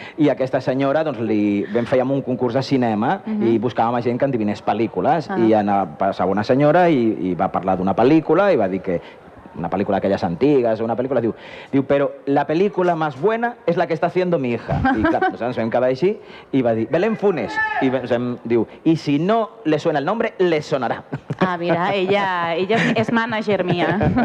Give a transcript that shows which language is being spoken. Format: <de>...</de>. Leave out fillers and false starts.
<ca>I aquesta senyora, doncs, li vam fer un concurs de cinema i buscàvem gent que endivinés pel·lícules. I passava una senyora i va parlar d'una pel·lícula i va dir que una pel·lícula d'aquelles antigues, una pel·lícula, diu, però la pel·lícula més bona és la que està</ca> <es>haciendo mi hija.</es> <ca>I clar, doncs ens vam quedar així i va dir, Belén Funes. I diu, i</ca> <es>si no le suena el nombre, le sonará.</es> <ca>Ah, mira, ella és manager mia.</ca>